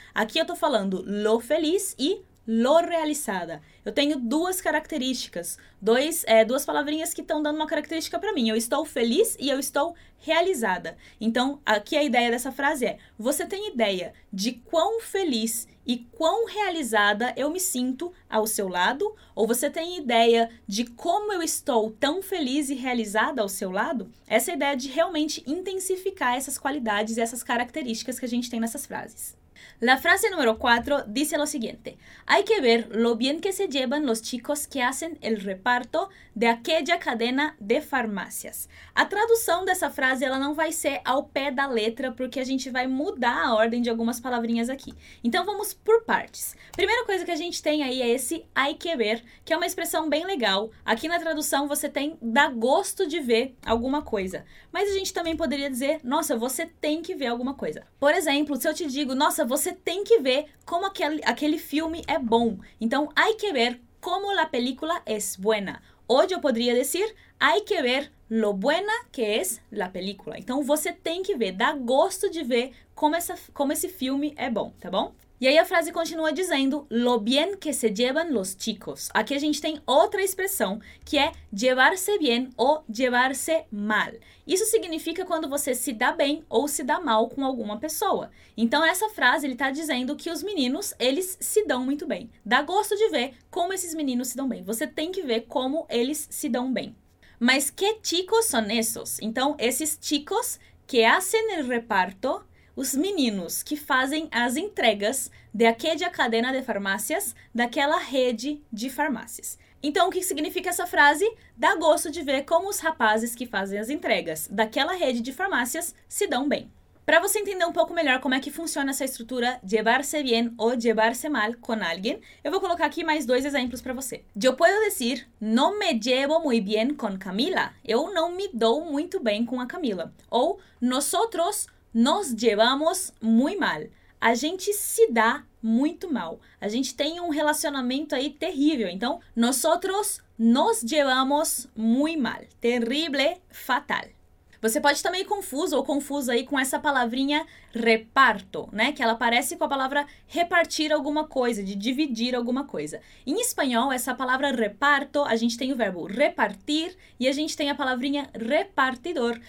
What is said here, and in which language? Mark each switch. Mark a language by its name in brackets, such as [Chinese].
[Spanish] Aquí yo estoy hablando lo feliz y lo realizada. [Portuguese] Eu tenho 2 características, duas palavrinhas que estão dando uma característica para mim. Eu estou feliz e eu estou realizada. Então, aqui a ideia dessa frase é: você tem ideia de quão feliz e quão realizada eu me sinto ao seu lado? Ou você tem ideia de como eu estou tão feliz e realizada ao seu lado? Essa ideia de realmente intensificar essas qualidades e essas características que a gente tem nessas frases. [Spanish] La frase número 4 dice lo siguiente: hay que ver lo bien que se llevan los chicos que hacen el reparto de aquella cadena de farmacias. [Portuguese] A tradução dessa frase ela não vai ser ao pé da letra, porque a gente vai mudar a ordem de algumas palavrinhas aqui. Então vamos por partes. Primeira coisa que a gente tem aí é esse [Spanish] hay que ver, [Portuguese] que é uma expressão bem legal. Aqui na tradução você tem dá gosto de ver alguma coisa. Mas a gente também poderia dizer: nossa, você tem que ver alguma coisa. Por exemplo, se eu te digo: nossa, você tem que ver como aquele filme é bom. [Spanish] Então, hay que ver como la película es buena. [Portuguese] Hoje eu poderia dizer: [Spanish] hay que ver lo buena que es la película. [Portuguese] Então, você tem que ver, dá gosto de ver como esse filme é bom, tá bom? E aí a frase continua dizendo: [Spanish] lo bien que se llevan los chicos. [Portuguese] Aqui a gente tem outra expressão, que é [Spanish] llevarse bien [Portuguese] ou [Spanish] llevarse mal. [Portuguese] Isso significa quando você se dá bem ou se dá mal com alguma pessoa. Então essa frase ele está dizendo que os meninos, eles se dão muito bem. Dá gosto de ver como esses meninos se dão bem. Você tem que ver como eles se dão bem. [Spanish] Mas que chicos son esos? [Portuguese] Então esses chicos [Spanish] que hacen el reparto, [Portuguese] os meninos que fazem as entregas [Spanish] de aquella cadena de [Portuguese] farmácias, daquela rede de farmácias. Então, o que significa essa frase? Dá gosto de ver como os rapazes que fazem as entregas daquela rede de farmácias se dão bem. Para você entender um pouco melhor como é que funciona essa estrutura [Spanish] llevarse bien [Portuguese] ou [Spanish] llevarse mal con alguien, [Portuguese] eu vou colocar aqui mais 2 exemplos para você. [Spanish] Yo puedo decir, no me llevo muy bien con Camila. [Portuguese] Eu não me dou muito bem com a Camila. [Spanish] Ou, nosotros nos llevamos muy mal. [Portuguese] A gente se dá muito mal. A gente tem um relacionamento aí terrível. [Spanish] Então, nosotros nos llevamos muy mal. Terrible, fatal. [Portuguese] Você pode estar meio confuso ou confusa aí com essa palavrinha reparto, né? Que ela parece com a palavra repartir alguma coisa, de dividir alguma coisa. Em espanhol, essa palavra reparto, a gente tem o verbo repartir e a gente tem a palavrinha repartidor.